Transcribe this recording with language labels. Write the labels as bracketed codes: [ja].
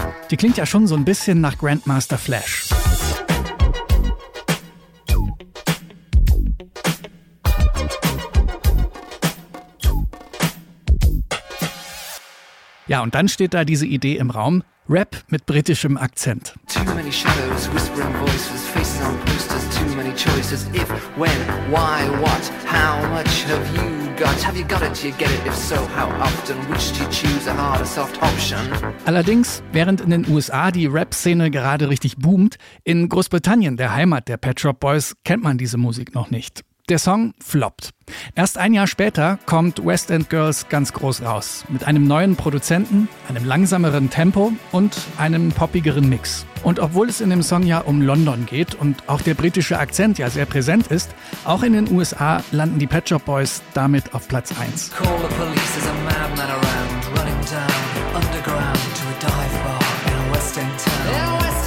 [de] Die klingt ja schon so ein bisschen nach Grandmaster Flash. Ja, und dann steht da diese Idee im Raum, Rap mit britischem Akzent. [en] Too many shadows, whispering voices, faces on posters, too many choices. If, when, why, what, how much have you got? Have you got it, you get it, if so, how often? Which do you choose, a hard or soft option? [de] Allerdings, während in den USA die Rap-Szene gerade richtig boomt, in Großbritannien, der Heimat der Pet Shop Boys, kennt man diese Musik noch nicht. Der Song floppt. Erst ein Jahr später kommt West End Girls ganz groß raus. Mit einem neuen Produzenten, einem langsameren Tempo und einem poppigeren Mix. Und obwohl es in dem Song ja um London geht und auch der britische Akzent ja sehr präsent ist, auch in den USA landen die Pet Shop Boys damit auf Platz 1. [en] Call the police, there's a madman around, running down underground to a dive bar in a West End town.